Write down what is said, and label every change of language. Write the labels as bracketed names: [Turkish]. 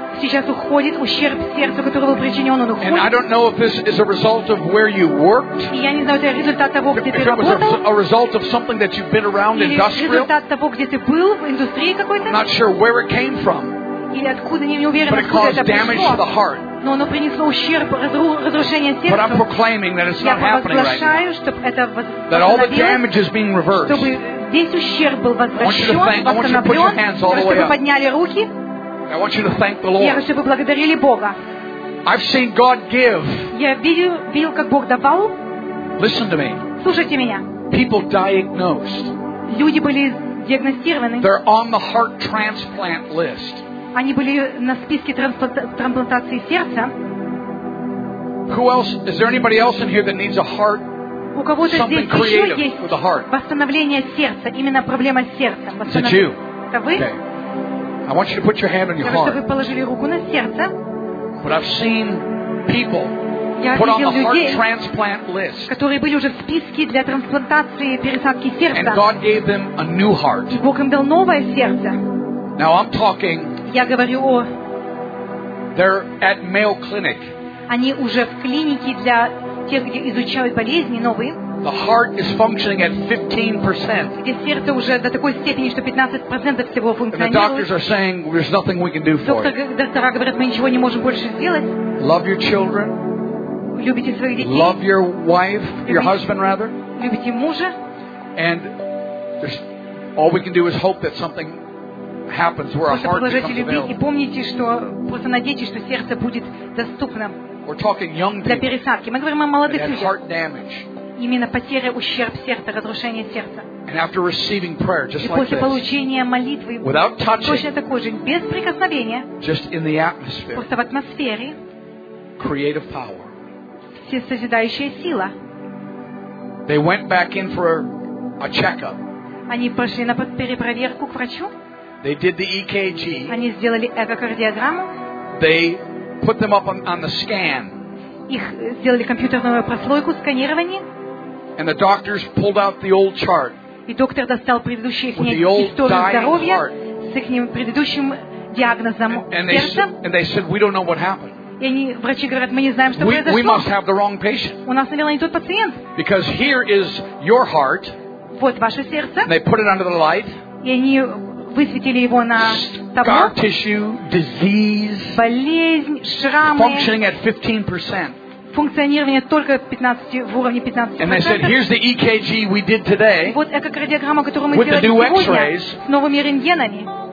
[Russian] Сейчас уходит ущерб сердцу, который был причинен, он уходит. [English] And I don't know if this is a result of where you worked. [Russian] Я не знаю, это результат того, где ты работал. [English] If it was a result of something that you've been around industrial. [Russian] Или результат того, где ты был в индустрии какой-то. [English] Not sure where it came from. [Russian] Или откуда, не уверен, откуда это пришло. [English] But it caused damage to the heart. [Russian] Но оно принесло ущерб, разрушение сердца. [English] But I'm proclaiming that it's not happening right now. [Russian] Я провозглашаю, чтобы это возобновилось. [English] That all the damage is being reversed. [Russian] Чтобы весь ущерб был возвращен, восстановлен. Чтобы подняли руки. [English] I want you to thank the Lord. [Russian] Я хочу, чтобы вы благодарили Бога. [English] I've seen God give. [Russian] Я видел, как Бог давал. [English] Listen to me. [Russian] Слушайте меня. [English] People diagnosed. [Russian] Люди были диагностированы. [English] They're on the heart transplant list. [Russian] Они были на списке трансплантации сердца. [English] Who else? Is there anybody else in here that needs a heart? [Russian] У кого-то здесь еще есть восстановление сердца, именно проблема с сердцем. [English] Is it you? [Russian] Это вы? [English] Okay. I want you to put your hand on your heart. [Russian] Чтобы вы положили руку на сердце. [English] But I've seen people put on the heart transplant list. [Russian] Которые были уже в списке для трансплантации пересадки сердца. [English] And God gave them a new heart. [Russian] И Бог им дал новое сердце. [English] Now I'm talking. [Russian] Я говорю о. [English] They're at Mayo Clinic. [Russian] Они уже в клинике для тех, где изучают болезни новые. [English] The heart is functioning at 15%. [Russian] Где сердце уже до такой степени, что 15% всего функционирует. [English] And the doctors are saying there's nothing we can do for it. [Russian] Доктора говорят, мы ничего не можем больше сделать. [English] Love your children. [Russian] Любите своих детей. [English] Love your wife, your husband rather. [Russian] Любите мужа. [English] And all we can do is hope that something happens where our heart becomes available. [Russian] Просто положите любви и помните, что просто надейтесь, что сердце будет доступно. [English] We're talking young people. [Russian] Для пересадки. Мы говорим о молодых людях. [English] Heart damage. [Russian] Именно потеря, ущерб сердца, разрушение сердца. [English] And after receiving prayer, just [Russian] и после [English] like this, [Russian] получения молитвы, [English] without touching, [Russian] точно такой же, без прикосновения, [English] just in the atmosphere, [Russian] просто в атмосфере, [English] creative power, [Russian] всесозидающая сила. [English] They went back in for a check-up. [Russian] Они пошли на перепроверку к врачу. [English] They did the EKG. [Russian] Они сделали эхокардиограмму. [English] They put them up on the scan. [Russian] Их сделали компьютерную прослойку, сканирование. [English] And the doctors pulled out the old chart. [Russian] И доктор достал предыдущую историю здоровья с их предыдущим диагнозом сердца. [English] And they said, we don't know what happened. [Russian] И они, врачи говорят, мы не знаем, что произошло. [English] We must have the wrong patient. [Russian] У нас, наверное, не тот пациент. [English] Because here is your heart. [Russian] Вот ваше сердце. [English] And they put it under the light. [Russian] И они высветили его на табло. [English] Scar tissue, disease. [Russian] Болезнь, шрамы. [English] Functioning at 15%. [Russian] Функционирование только 15, в уровне 15%. [English] And they said, here's the EKG we did today. [Russian] Вот эхокардиограмма, которую мы сделали сегодня с новыми рентгенами.